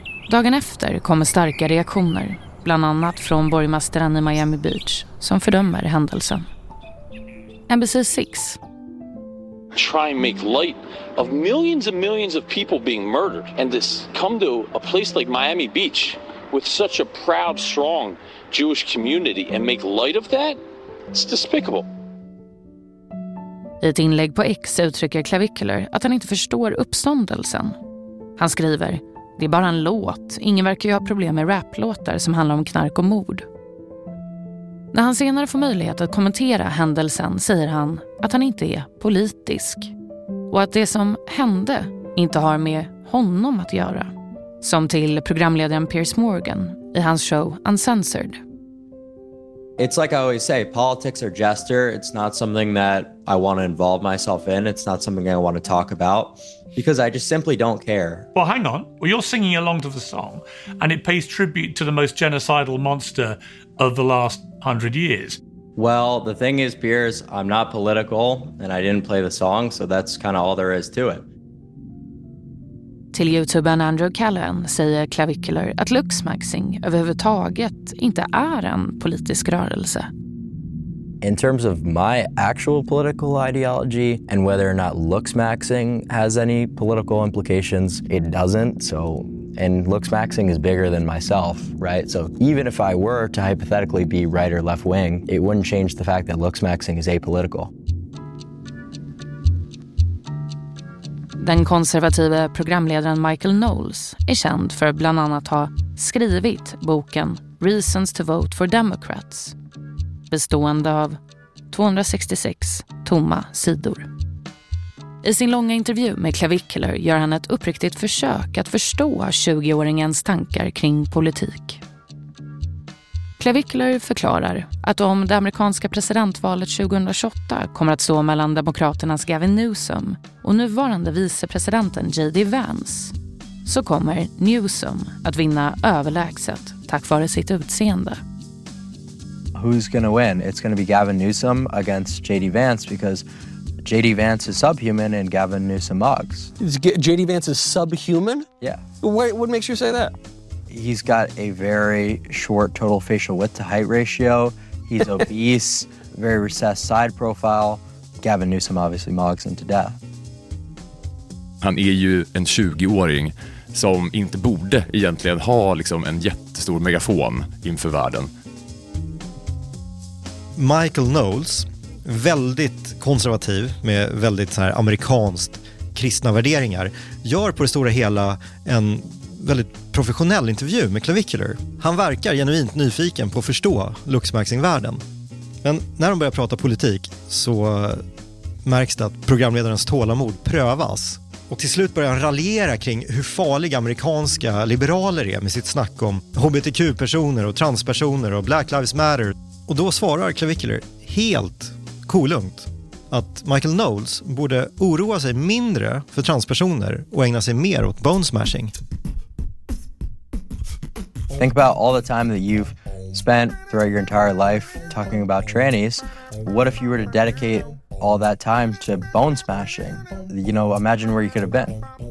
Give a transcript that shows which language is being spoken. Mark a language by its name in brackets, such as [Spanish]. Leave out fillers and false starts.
[Swedish] Dagen efter kommer starka reaktioner, bland annat från borgmästaren i Miami Beach, som fördömer händelsen. [English] NBC 6. Try and make light of millions and millions of people being murdered, and this come to a place like Miami Beach with such a proud, strong Jewish community and make light of that? It's despicable. [Swedish] I ett inlägg på X uttrycker Klavikuler att han inte förstår uppståndelsen. Han skriver: det är bara en låt. Ingen verkar ju ha problem med rapplåtar som handlar om knark och mord. När han senare får möjlighet att kommentera händelsen säger han att han inte är politisk. Och att det som hände inte har med honom att göra. Som till programledaren Piers Morgan i hans show Uncensored. [English] It's like I always say, politics are gesture. It's not something that I want to involve myself in. It's not something I want to talk about. Because I just simply don't care. Well, hang on. Well, you're singing along to the song, and it pays tribute to the most genocidal monster of the last 100 years. Well, the thing is, Piers, I'm not political, and I didn't play the song, so that's kind of all there is to it. [Swedish] Till YouTubern Andrew Callahan säger Klavikuler att Luxmaxing överhuvudtaget inte är en politisk rörelse. [English] In terms of my actual political ideology and whether or not Luxmaxing has any political implications, it doesn't. So, and Luxmaxing is bigger than myself, right? So even if I were to hypothetically be right or left wing, it wouldn't change the fact that Luxmaxing is apolitical. [Swedish] Den konservativa programledaren Michael Knowles är känd för bland annat ha skrivit boken Reasons to Vote for Democrats, bestående av 266 tomma sidor. I sin långa intervju med Klavikuler gör han ett uppriktigt försök att förstå 20-åringens tankar kring politik. Klavikuler förklarar att om det amerikanska presidentvalet 2028 kommer att stå mellan demokraternas Gavin Newsom och nuvarande vicepresidenten J.D. Vance, så kommer Newsom att vinna överlägset tack vare sitt utseende. [English] Who's gonna win? It's gonna be Gavin Newsom against J.D. Vance, because J.D. Vance is subhuman and Gavin Newsom mugs. J.D. Vance is subhuman? Yeah. Wait, what makes you say that? He's got a very short total facial width to height ratio. He's obese, very recessed side profile. Gavin Newsom obviously mugs him to death. [Swedish] Han är ju en 20-åring som inte borde egentligen ha liksom en jättestor megafon inför världen. Michael Knowles, väldigt konservativ med väldigt så här amerikanskt kristna värderingar, gör på det stora hela en väldigt professionell intervju med Clavicular. Han verkar genuint nyfiken på att förstå luxmaxing-världen. Men när de börjar prata politik så märks det att programledarens tålamod prövas. Och till slut börjar han raljera kring hur farliga amerikanska liberaler är med sitt snack om hbtq-personer och transpersoner och Black Lives Matter. Och då svarar Clavicular helt kolugnt att Michael Knowles borde oroa sig mindre för transpersoner och ägna sig mer åt bonesmashing. [English] Think about all the time that you've spent throughout your entire life talking about trannies. What if you were to dedicate all that time to bone smashing? You know, imagine where you could have been.